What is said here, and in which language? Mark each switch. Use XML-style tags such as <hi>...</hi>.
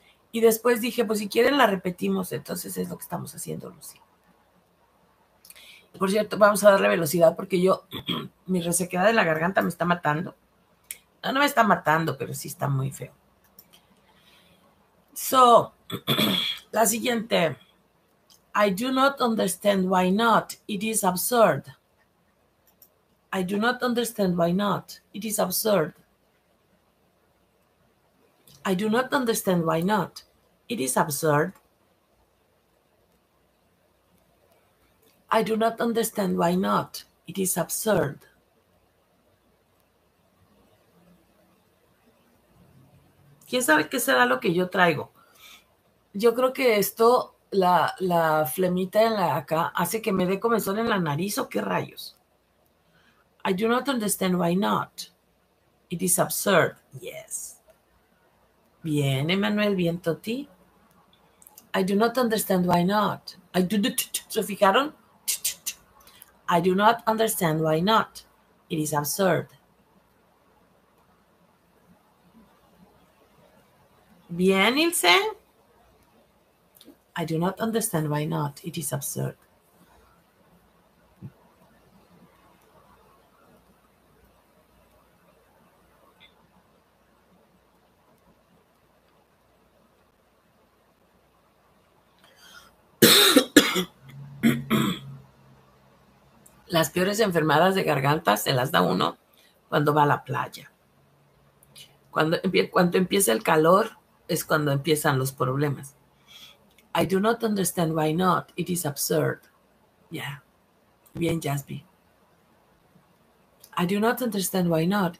<es>Y después dije, pues si quieren la repetimos, entonces es lo que estamos haciendo, Lucía. Por cierto, vamos a darle velocidad porque yo, mi resequedad de la garganta me está matando. No, no me está matando, pero sí está muy feo. So, la siguiente.</es> <en>I do not understand why not. It is absurd. I do not understand why not. It is absurd. I do not understand why not. It is absurd. I do not understand why not. It is absurd.</en> <es>¿Quién sabe qué será lo que yo traigo? Yo creo que esto, la flemita en la acá, hace que me dé comezón en la nariz o qué rayos.</es> <en>I do not understand why not. It is absurd. Yes.</en> <es>Bien,</es> <en>Emanuel,</en> <es>bien,</es> <en>Toti. I do not understand why not. I do not.</en> <es>¿Se fijaron?</es> <en>I do not understand why not. It is absurd.</en> <es>Bien,</es> <en>Ilse. I do not understand why not. It is absurd.</en> <es>Las peores enfermedades de garganta se las da uno cuando va a la playa. Cuando empieza el calor es cuando empiezan los problemas.</es> <en>I do not understand why not. It is absurd. Yeah.</en> <es>Bien,</es> <en>Jasby. I do not understand why not.</en>